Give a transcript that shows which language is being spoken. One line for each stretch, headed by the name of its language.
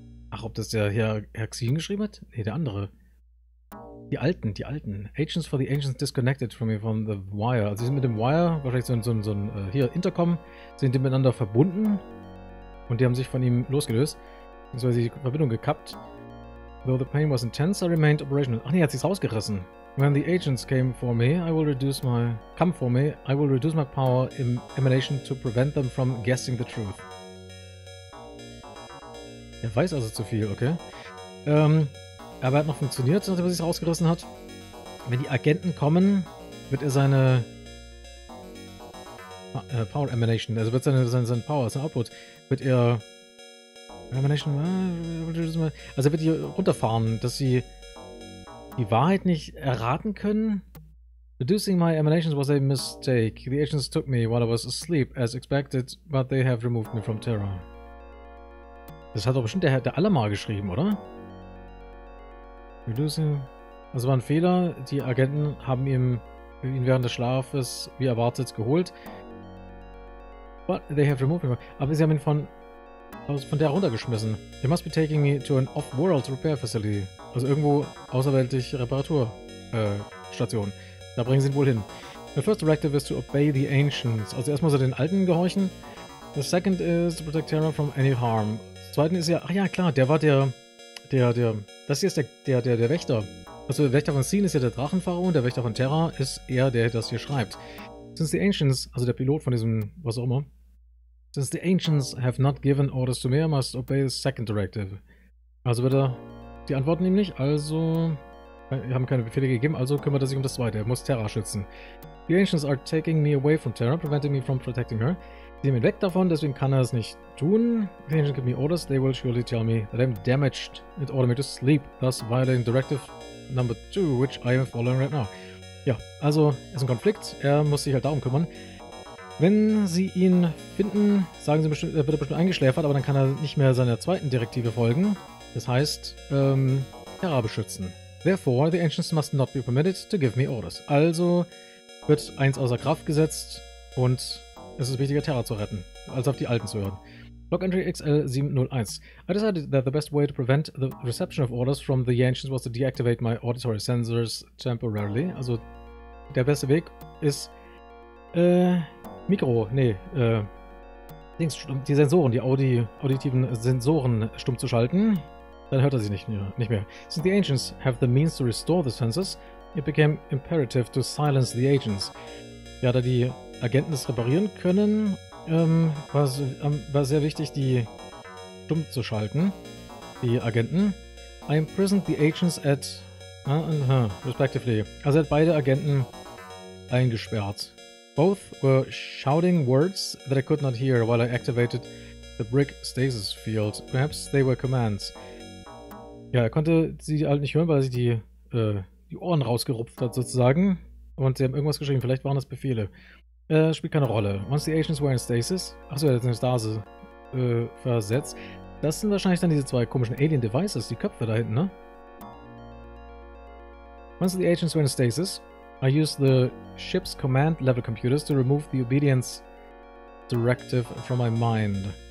German: Ach, ob das der Herr Xin geschrieben hat? Nee, der andere. Die Alten.
English: Agents for the Ancients disconnected from me from the Wire.
German: Also sie sind mit dem Wire, wahrscheinlich so ein Intercom, sind die miteinander verbunden. Und die haben sich von ihm losgelöst. Beziehungsweise die Verbindung gekappt.
English: Though the pain was intense, I remained operational.
German: Ach nee, hat sich's rausgerissen.
English: When the agents came for me, I will reduce my power emanation to prevent them from guessing the truth.
German: Er weiß also zu viel, okay. Aber er hat noch funktioniert, nachdem er sich rausgerissen hat. Wenn die Agenten kommen, wird er seine Power emanation, also wird seine Power, sein Output, wird er emanation, also er wird die runterfahren, dass sie die Wahrheit nicht erraten können?
English: Reducing my emanations was a mistake. The agents took me while I was asleep, as expected, but they have removed me from terror.
German: Das hat doch bestimmt der Allemar geschrieben, oder? Reducing. Also war ein Fehler. Die Agenten haben ihn während des Schlafes, wie erwartet, geholt.
English: But they have removed me from terror.
German: Aber sie haben ihn von der runtergeschmissen.
English: They must be taking me to an off-world repair facility.
German: Also irgendwo außerweltliche Reparaturstation. Da bringen sie ihn wohl hin.
English: The first directive is to obey the Ancients.
German: Also erstmal soll er den Alten gehorchen.
English: The second is to protect Terra from any harm.
German: Zweiten ist ja, ach ja, klar, der war der, das hier ist der Wächter. Also der Wächter von Scene ist ja der Drachenpharao und der Wächter von Terra ist er, der das hier schreibt.
English: Since the Ancients,
German: also der Pilot von diesem, was auch immer,
English: since the Ancients have not given orders to me, I must obey the second directive.
German: Also wird er, die antworten ihm nicht, also wir haben keine Befehle gegeben, also kümmert er sich um das zweite. Er muss Terra schützen.
English: The Ancients are taking me away from Terra, preventing me from protecting her.
German: Sie nehmen ihn weg davon, deswegen kann er es nicht tun.
English: The Ancients give me orders, they will surely tell me that I'm damaged and order me to sleep, thus violating directive number 2, which I am following right now.
German: Ja, also es ist ein Konflikt, er muss sich halt darum kümmern. Wenn sie ihn finden, sagen sie bestimmt, wird er bestimmt eingeschläfert, aber dann kann er nicht mehr seiner zweiten Direktive folgen. Das heißt, Terra beschützen.
English: Therefore, the Ancients must not be permitted to give me orders.
German: Also wird eins außer Kraft gesetzt und es ist wichtiger, Terra zu retten, als auf die Alten zu hören.
English: Log entry XL701. I decided that the best way to prevent the reception of orders from the Ancients was to deactivate my auditory sensors temporarily.
German: Also, der beste Weg ist, die Sensoren, die auditiven Sensoren stumm zu schalten. Dann hört er sie nicht mehr.
English: Since the Ancients have the means to restore the sensors, it became imperative to silence the agents.
German: Ja, da die Agenten es reparieren können, war sehr wichtig, die stumm zu schalten. Die Agenten.
English: I imprisoned the agents at... respectively.
German: Also hat beide Agenten eingesperrt.
English: Both were shouting words that I could not hear while I activated the brick stasis field. Perhaps they were commands.
German: Ja, er konnte sie halt nicht hören, weil er sich die Ohren rausgerupft hat sozusagen. Und sie haben irgendwas geschrieben, vielleicht waren das Befehle. Spielt keine Rolle.
English: Once the agents were in stasis.
German: Achso, er hat eine Stase versetzt. Das sind wahrscheinlich dann diese zwei komischen Alien Devices, die Köpfe da hinten, ne?
English: Once the agents were in stasis, I used the ship's command level computers to remove the obedience directive from my mind.